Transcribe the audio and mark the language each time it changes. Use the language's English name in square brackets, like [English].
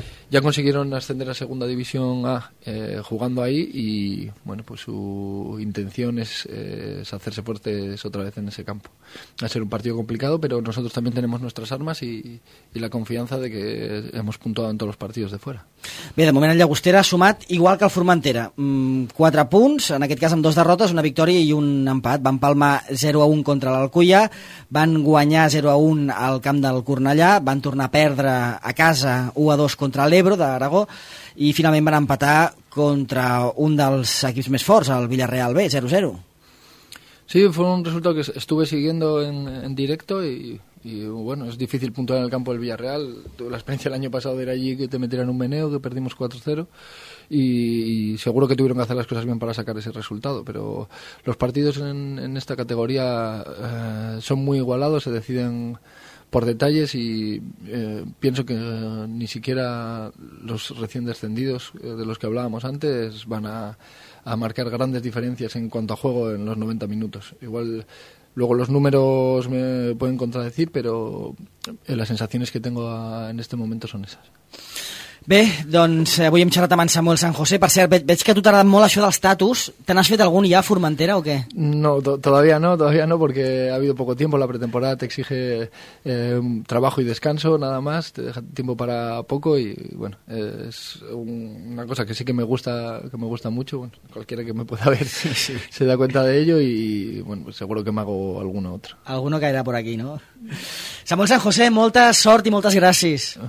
[Spanish] ya consiguieron ascender a segunda división A jugando ahí, y bueno, pues su intención es hacerse fuertes otra vez en ese campo. Va a ser un partido complicado, pero nosotros también tenemos nuestras armas y la confianza de que hemos puntuado en todos los partidos de fuera. [Catalan] Bé, de moment el Llagostera ha sumat igual que el Formentera, 4 punts, en aquest cas amb 2 derrotes, una victòria i un empat. Van palmar 0-1 contra l'Alcúia, van guanyar 0-1 al camp del Cornellà, van tornar a perdre a casa 1-2 contra l'Ebro d'Aragó i finalment van empatar contra un dels equips més forts, el Villarreal B, 0-0. [Spanish] Sí, fue un resultado que estuve siguiendo en directo y bueno, es difícil puntuar en el campo del Villarreal. Tuve la experiencia el año pasado de ir allí, que te metieran un meneo, que perdimos 4-0, y seguro que tuvieron que hacer las cosas bien para sacar ese resultado, pero los partidos en esta categoría son muy igualados, se deciden por detalles y pienso que ni siquiera los recién descendidos de los que hablábamos antes van a marcar grandes diferencias en cuanto a juego en los 90 minutos. Igual luego los números me pueden contradecir, pero las sensaciones que tengo en este momento son esas. [Catalan] Bé, doncs avui hem xerrat amb en Samuel San José. Per cert, veig que a tu t'ha agradat molt això dels tatus. Te n'has fet algun ja a Formentera o què? [Spanish] No, todavía no, porque ha habido poco tiempo. La pretemporada te exige trabajo y descanso, nada más. Te deja tiempo para poco y, bueno, es una cosa que sí que me gusta mucho. Bueno, cualquiera que me pueda ver sí. Se da cuenta de ello y, bueno, pues seguro que me hago alguno otro. Alguno caerá por aquí, ¿no? [Catalan] Samuel San José, molta sort i moltes gràcies.